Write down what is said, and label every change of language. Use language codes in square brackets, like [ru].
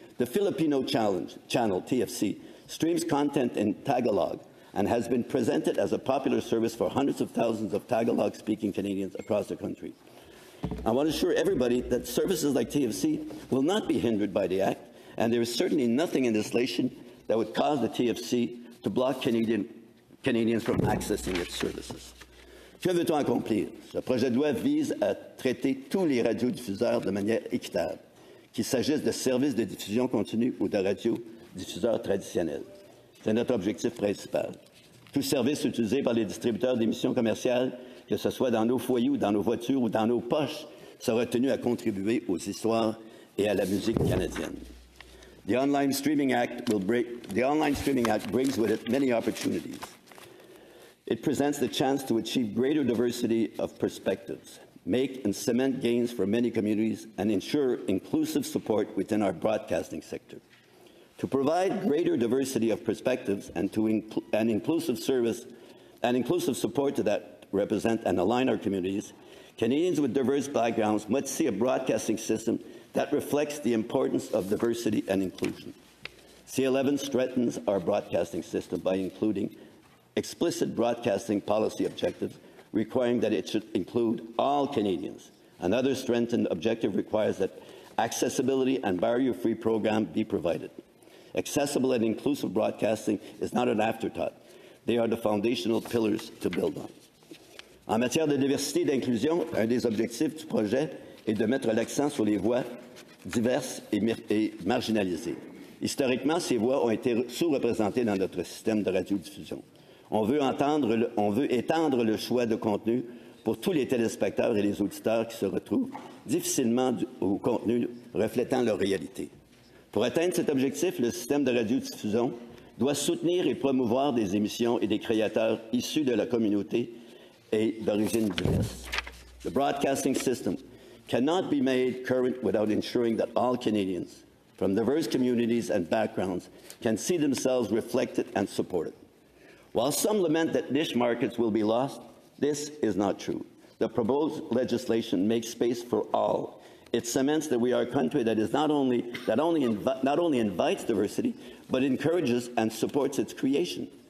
[en] The Filipino Channel, TFC, streams content in Tagalog and has been presented as a popular service for hundreds of thousands of Tagalog-speaking Canadians across the country. I want to assure everybody that services like TFC will not be hindered by the Act, and there is certainly nothing in this legislation that would cause the TFC to block Canadians from accessing its services. [fr] Que veut-on accomplir? Ce projet de loi vise à traiter tous les radiodiffuseurs de manière équitable, qu'il s'agisse de services de diffusion continue ou de radiodiffuseurs traditionnels. C'est notre objectif principal. Tout service utilisé par les distributeurs d'émissions commerciales, que ce soit dans nos foyers ou dans nos voitures ou dans nos poches, sera tenu à contribuer aux histoires et à la musique canadienne. [en] The Online Streaming Act brings with it many opportunities. It presents the chance to achieve greater diversity of perspectives, make and cement gains for many communities, and ensure inclusive support within our broadcasting sector. To provide greater diversity of perspectives and to inclusive support to that represent and align our communities, Canadians with diverse backgrounds must see a broadcasting system that reflects the importance of diversity and inclusion. C-11 strengthens our broadcasting system by including explicit broadcasting policy objectives requiring that it should include all Canadians. Another strengthened objective requires that accessibility and barrier-free program be provided. Accessible and inclusive broadcasting is not an afterthought. They are the foundational pillars to build on. [fr] En matière de diversité et d'inclusion, un des objectifs du projet est de mettre l'accent sur les voix diverses et marginalisées. Historiquement, ces voix ont été sous-représentées dans notre système de radiodiffusion. On veut étendre le choix de contenu pour tous les téléspectateurs et les auditeurs qui se retrouvent difficilement au contenu reflétant leur réalité. Pour atteindre cet objectif, le système de radiodiffusion doit soutenir et promouvoir des émissions et des créateurs issus de la communauté et d'origine diverse. [en] The broadcasting system cannot be made current without ensuring that all Canadians from diverse communities and backgrounds can see themselves reflected and supported. While some lament that niche markets will be lost, this is not true. The proposed legislation makes space for all. It cements that we are a country that is not only invites diversity, but encourages and supports its creation.